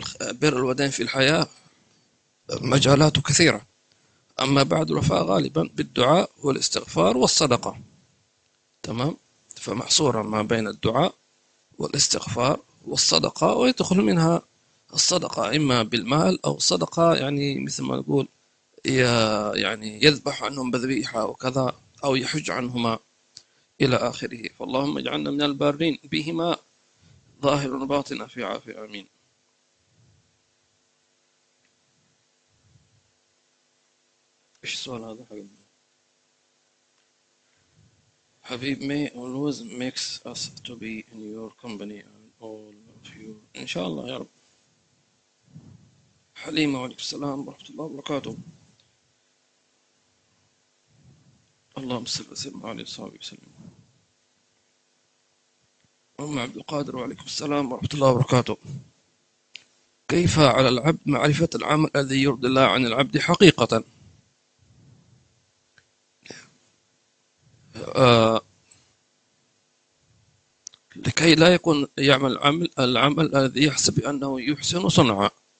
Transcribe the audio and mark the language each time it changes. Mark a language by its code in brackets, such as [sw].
[ar] بر الوالدين في الحياة مجالات كثيرة، أما بعد الوفاة غالبا بالدعاء والاستغفار والصدقة تمام، فمحصورة ما بين الدعاء والاستغفار والصدقة، ويدخل منها الصدقة إما بالمال أو صدقة يعني مثل ما نقول يعني يذبح عنهم بذبيحة وكذا، أو يحج عنهما إلى آخره. فاللهم اجعلنا من البارين بهما ظاهر وباطن في عافية أمين. إيش السؤال هذا حبيب؟ [en] may always makes us to be in your company and all of you. [ar] إن شاء الله يا رب. حليمة وعليكم السلام ورحمة الله وبركاته، اللهم صل وسلم على صحابه وسلم. أم عبد القادر وعليكم السلام ورحمة الله وبركاته، كيف على العبد معرفة العمل الذي يرضي الله عن العبد حقيقة؟ لكي لا يكون يعمل العمل الذي يحسب أنه يحسن صنعه.